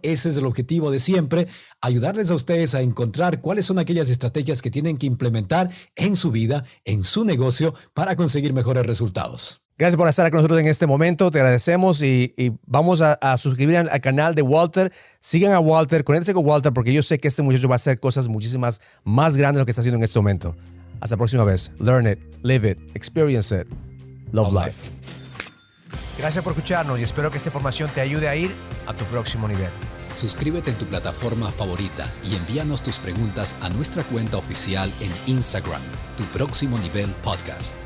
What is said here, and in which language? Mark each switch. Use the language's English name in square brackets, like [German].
[Spanish] Ese es el objetivo de siempre. Ayudarles a ustedes a encontrar cuáles son aquellas estrategias que tienen que implementar en su vida, en su negocio, para conseguir mejores resultados. Gracias por estar con nosotros en este momento. Te agradecemos y vamos a suscribir al canal de Walter. Sigan a Walter, conéctense con Walter, porque yo sé que este muchacho va a hacer cosas muchísimas más grandes de lo que está haciendo en este momento. Hasta la próxima vez. [English] Learn it, live it, experience it. Love life. [Spanish] Gracias por escucharnos y espero que esta información te ayude a ir a tu próximo nivel. Suscríbete en tu plataforma favorita y envíanos tus preguntas a nuestra cuenta oficial en Instagram, Tu Próximo Nivel Podcast.